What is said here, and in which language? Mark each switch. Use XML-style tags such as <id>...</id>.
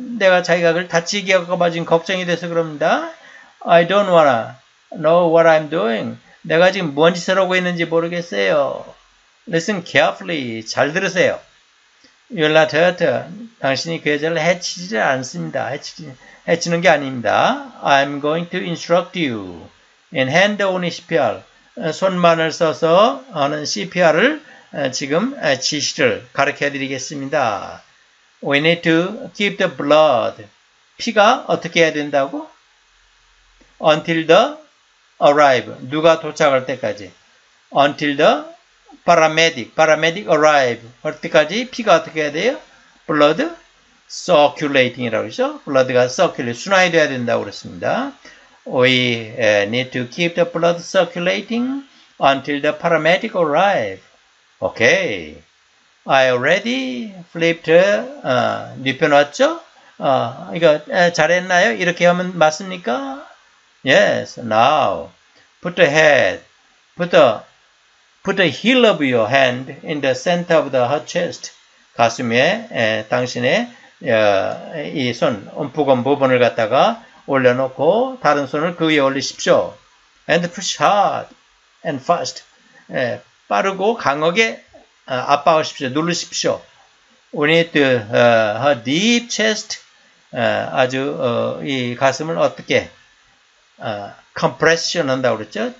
<ko>내가 자기가 그걸 다치게 할까봐 지금 걱정이 돼서 그럽니다.</ko> <en>I don't wanna know what I'm doing.</en> <ko>내가 지금 뭔 짓을 하고 있는지 모르겠어요.</ko> <en>Listen carefully.</en> <ko>잘 들으세요.</ko> <en>You'll not hurt her.</en> <ko>당신이 그 여자를 해치지 않습니다. 해치는 게 아닙니다.</ko> <en>I'm going to instruct you in hand-only CPR.</en> <ko>손만을 써서 하는 CPR을 지금 지시를 가르쳐 드리겠습니다.</ko> <en>We need to keep the blood.</en> <ko>피가 어떻게 해야 된다고?</ko> <en>Until the arrive.</en> <ko>누가 도착할 때까지?</ko> <en>Until the paramedic. Paramedic arrive.</en> <ko>할 때까지 피가 어떻게 해야 돼요?</ko> <en>Blood circulating</en> <ko>이라고 그러죠.</ko> <en>Blood가 circulate.</en> <ko>순환이 돼야 된다고 그랬습니다.</ko> <en>We need to keep the blood circulating until the paramedic arrive. Okay. I already flipped her,</en> <ko>눕혀놨죠? 이거 잘했나요? 이렇게 하면 맞습니까?</ko> <en>Yes, now, put the heel of your hand in the center of the her chest.</en> <ko>가슴에 당신의 이 손, 움푹한 부분을 갖다가 올려놓고 다른 손을 그 위에 올리십시오.</ko> <en>And push hard and fast.</en> <ko>빠르고 강하게 압박하십시오. 누르십시오.</ko> <en>We need to, her deep chest,</en> <ko>아주, 이 가슴을 어떻게, compression 한다고 그랬죠?</ko>